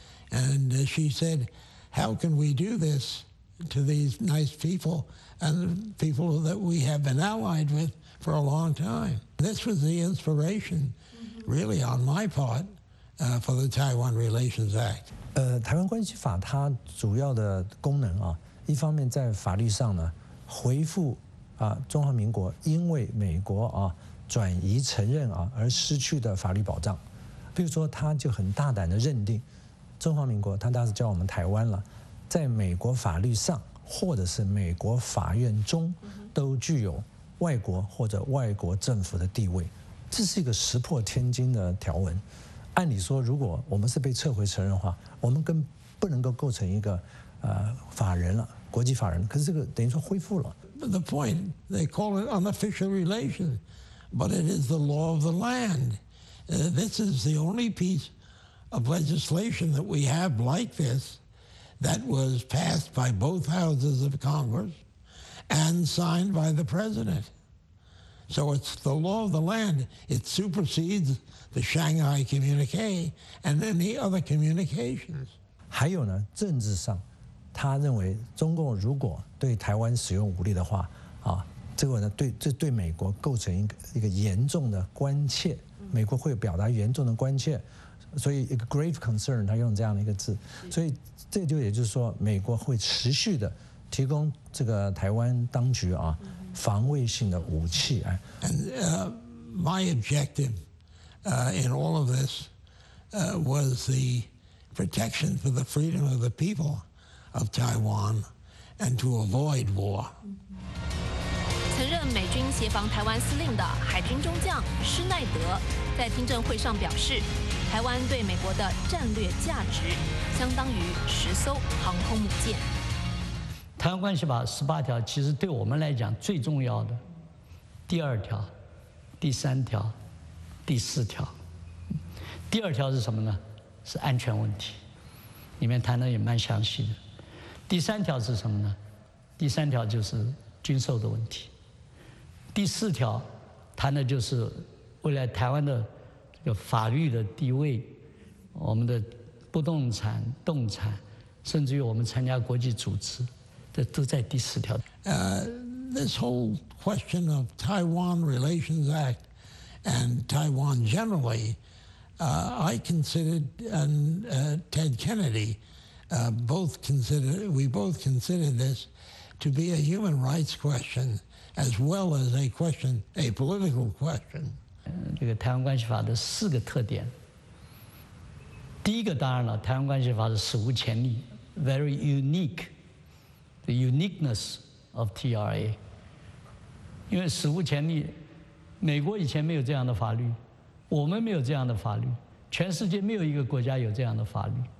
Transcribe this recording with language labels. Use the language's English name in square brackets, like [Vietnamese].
[English] And she said, how can we do this to these nice people and people that we have been allied with for a long time? This was the inspiration, really, on my part, for the Taiwan Relations Act. [Chinese] 台湾关系法它主要的功能啊，一方面在法律上呢，回复中华民国因为美国转移承认而失去的法律保障，比如说他就很大胆的认定中华民国，他当时叫我们台湾了，在美国法律上或者是美国法院中都具有外国或者外国政府的地位，这是一个石破天惊的条文。按理说如果我们是被撤回承认的话，我们更不能够构成一个法人了，国际法人，可是这个等于说恢复了。 [English] The point, they call it unofficial relations, but it is the law of the land. This is the only piece of legislation that we have like this that was passed by both houses of Congress and signed by the president. So it's the law of the land. It supersedes the Shanghai communique and any other communications. [Chinese] 还有呢，政治上。他认为中共如果对台湾使用武力的话这个呢对这对美国构成一个严重的关切，美国会表达严重的关切，所以一个 [English] grave concern， [Chinese] 他用这样的一个字，所以这就也就是说美国会持续的提供这个台湾当局防卫性的武器。 [English] And my objective in all of this was the protection for the freedom of the peopleof Taiwan and to avoid war. [Chinese] 曾任美军协防台湾司令的海军中将施耐德在听证会上表示，台湾对美国的战略价值相当于10艘航空母舰。台湾关系法18条其实对我们来讲最重要的第二条、第三条、第四条。第二条是什么呢？是安全问题，里面谈的也蛮详细的。第三条是什么呢？第三条就是军售的问题。第四条谈的就是未来台湾的这个法律的地位，我们的不动产、动产，甚至于我们参加国际组织，这都在第四条。 [English] This whole question of Taiwan Relations Act and Taiwan generally, I considered and Ted Kennedy. We both consider this to be a human rights question as well as a question, a political question. [Chinese] 这个台湾关系法的四个特点，第一个当然了，台湾关系法是史无前例 ， [English] very unique, the uniqueness of TRA. [Chinese] 因为史无前例，美国以前没有这样的法律，我们没有这样的法律，全世界没有一个国家有这样的法律。